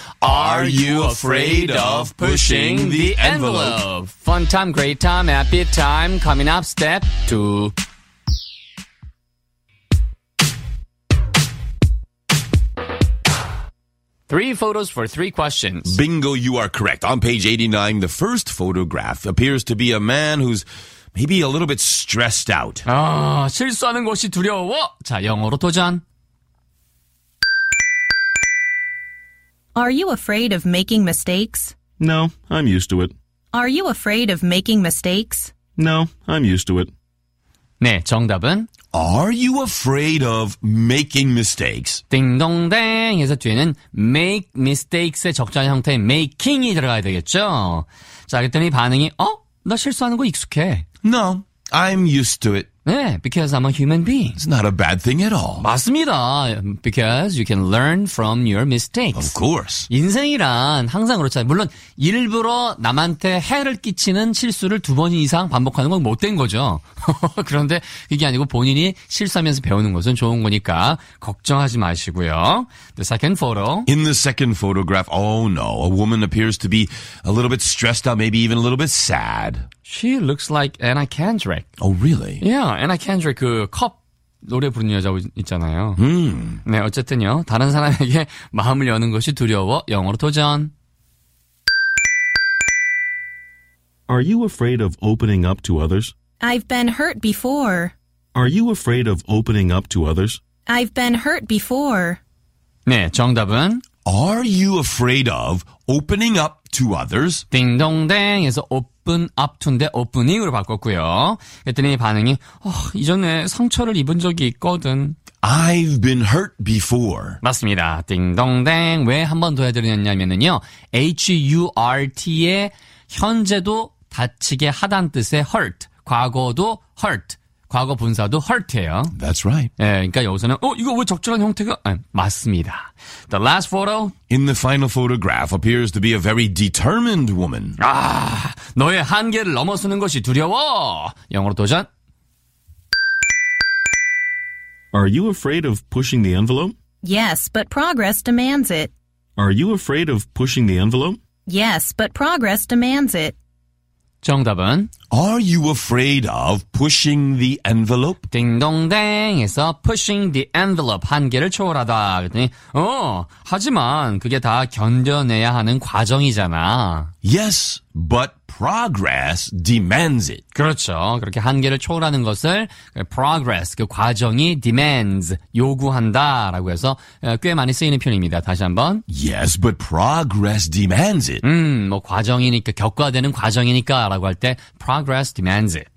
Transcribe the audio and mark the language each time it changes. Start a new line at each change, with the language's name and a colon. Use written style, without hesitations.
English: Are you afraid of pushing the envelope? Fun time, great time, happy time. Coming up, step two. Three photos for three questions. Bingo, you are correct. On page 89, the first photograph appears to be a man who's maybe a little bit stressed out.
Korean: 아, 실수하는 것이 두려워. 자, 영어로 도전.
English: Are you afraid of making mistakes? No, I'm used to it. Are you afraid of making mistakes? No, I'm used to it.
Korean: 네, 정답은?
English: Are you afraid of making mistakes?
Korean: 띵동댕에서 뒤에는
English: make mistakes
Korean: 의 적절한 형태의 making이 들어가야 되겠죠? 자, 그랬더니 반응이 어? 나 실수하는 거 익숙해.
English: No, I'm used to it. 네, because I'm a human being. It's not a bad thing at all. 맞습니다. Because you can learn from your mistakes. Of course.
Korean: 인생이란 항상 그렇잖아요. 물론 일부러 남한테 해를 끼치는 실수를 두 번 이상 반복하는 건 못된 거죠. 그런데 이게 아니고 본인이 실수하면서 배우는 것은 좋은 거니까 걱정하지 마시고요.
English: The second photo. In the second photograph, oh no, a woman appears to be a little bit stressed out, maybe even a little bit sad. She looks like Anna Kendrick. Oh, really?
Korean: Yeah, Anna Kendrick, 그 컵 노래 부르는 여자 있잖아요. Mm. 네, 어쨌든요. 다른 사람에게 마음을 여는 것이 두려워. 영어로 도전.
English: Are you afraid of opening up to others? I've been hurt before. Are you afraid of opening up to others? I've been hurt before.
Korean: 네, 정답은?
English: Are you afraid of opening up to others?
Korean: 띵동댕에서
English: open up to
Korean: 인데 opening으로 바꿨고요. 그랬더니 반응이 이전에 상처를 입은 적이 있거든.
English: I've been hurt before.
Korean: 맞습니다. 띵동댕 왜 한 번 더 해드렸냐면요. H-U-R-T의 현재도 다치게 하단 뜻의 hurt. 과거도 hurt. 과거 분사도 hurt예요.
English: That's right.
Korean: 예, 그러니까 여기서는 이거 왜 적절한 형태가? 아, 맞습니다.
English: The last photo. In the final photograph appears to be a very determined woman.
Korean: 아, 너의 한계를 넘어서는 것이 두려워. 영어로 도전.
English: Are you afraid of pushing the envelope? Yes, but progress demands it. Are you afraid of pushing the envelope? Yes, but progress demands it.
Korean: 정답은?
English: Are you afraid of pushing the envelope?
Korean: 띵동댕에서
English: pushing the envelope,
Korean: 한계를 초월하다. 그랬더니, 하지만 그게 다 견뎌내야 하는 과정이잖아.
English: Yes, but progress demands it.
Korean: 그렇죠. 그렇게 한계를 초월하는 것을 progress, 그 과정이 demands, 요구한다라고 해서 꽤 많이 쓰이는 표현입니다. 다시 한번.
English: Yes, but progress demands it.
Korean: 뭐 과정이니까, 격과되는 과정이니까 라고 할 때
English: progress demands it.